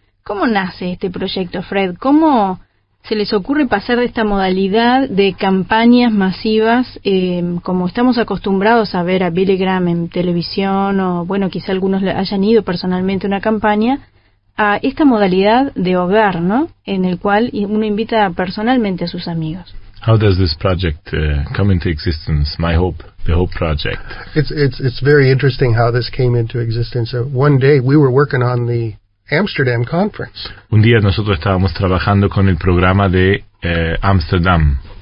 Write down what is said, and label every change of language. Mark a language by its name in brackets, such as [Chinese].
[Spanish] ¿Cómo nace este proyecto, Fred? ¿Cómo se les ocurre pasar de esta modalidad de campañas masivas, como estamos acostumbrados a ver a Billy Graham en televisión, o bueno, quizá algunos hayan ido personalmente a una campaña, a esta modalidad de hogar, ¿no?, en el cual uno invita personalmente a sus amigos? [English] How does this project come into existence? My hope, the Hope Project. It's very interesting how this came into existence. One day we were working on the Amsterdam conference. [Spanish] Un día nosotros estábamos trabajando con el programa de Amsterdam.